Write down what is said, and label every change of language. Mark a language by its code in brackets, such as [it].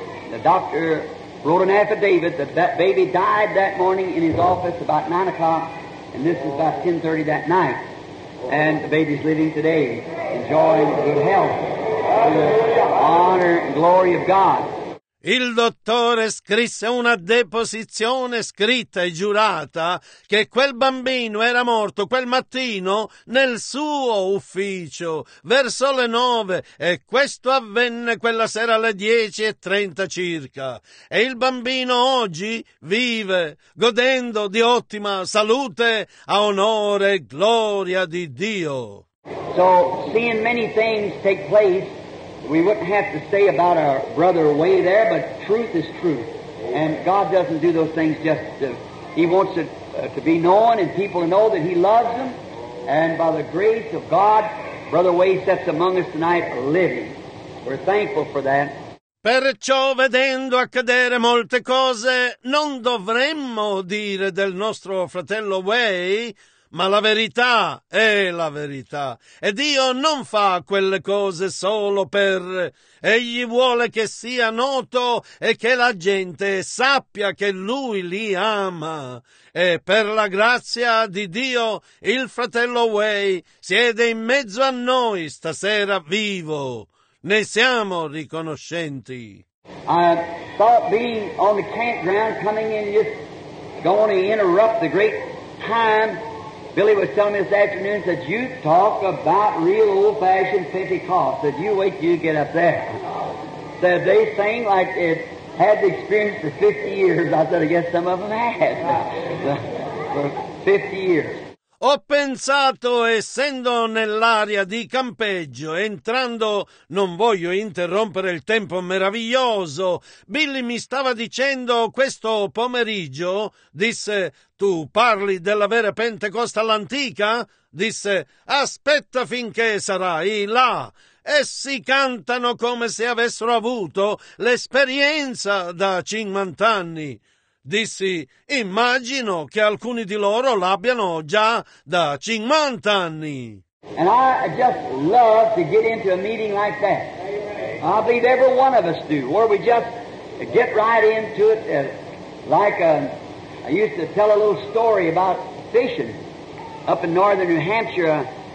[en] The doctor wrote an affidavit that that baby died that morning in his office about 9 o'clock, and this is about 10:30 that night. And the baby's living today, enjoying good health, to the honor and glory of God. [it] Il dottore scrisse una deposizione scritta e giurata che quel bambino era morto quel mattino nel suo ufficio verso le 9 e questo avvenne quella sera alle 10:30 circa. E il bambino oggi vive godendo di ottima salute a onore e gloria di Dio. [en] So, seeing many things take place, we wouldn't have to say about our brother away there, but truth is truth. And God doesn't do those things just to, he wants it to be known and people to know that he loves them. And by the grace of God, Brother Way sits among us tonight living. We're thankful for that. [it] Perciò vedendo accadere molte cose, non dovremmo dire del nostro fratello Way, ma la verità è la verità. E Dio non fa quelle cose solo per... Egli vuole che sia noto e che la gente sappia che Lui li ama. E per la grazia di Dio, il fratello Way siede in mezzo a noi stasera vivo. Ne siamo riconoscenti. [en] I thought being on the campground, coming in, just going to interrupt the great time... Billy was telling me this afternoon, said, you talk about real old-fashioned Pentecost. Said, you wait till you get up there. Said, they sing like it had the experience for 50 years. I said, I guess some of them had for 50 years. [it] Ho pensato, essendo nell'area di campeggio, entrando, non voglio interrompere il tempo meraviglioso, Billy mi stava dicendo questo pomeriggio, disse, tu parli della vera Pentecoste all'antica? Disse, aspetta finché sarai là. Essi cantano come se avessero avuto l'esperienza da 50 anni. Dissi, immagino che alcuni di loro l'abbiano già da 50 anni. [en] And I just love to get into a meeting like that. I believe every one of us do. Or we just get right into it. I used to tell a little story about fishing up in northern New Hampshire.